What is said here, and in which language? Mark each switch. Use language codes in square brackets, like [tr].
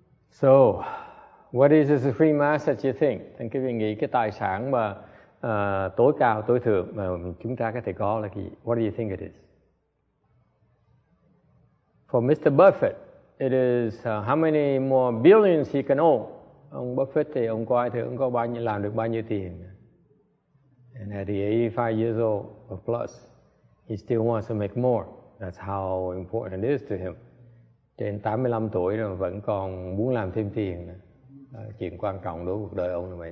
[en] So, what is the supreme asset you think? Thank you, [vi] nghĩ cái tài sản mà tối cao, tối thượng mà chúng ta có thể có là gì? [en] What do you think it is? For Mr. Buffett, it is how many more billions he can own. [vi] Ông Buffett thì ông coi thử ông có bao nhiêu làm được bao nhiêu tiền. [en] And at the 85 years old or plus, he still wants to make more. That's how important it is to him. [vi] Trên 85 tuổi rồi vẫn còn muốn làm thêm tiền. Chuyện quan trọng đối với cuộc đời ông là vậy.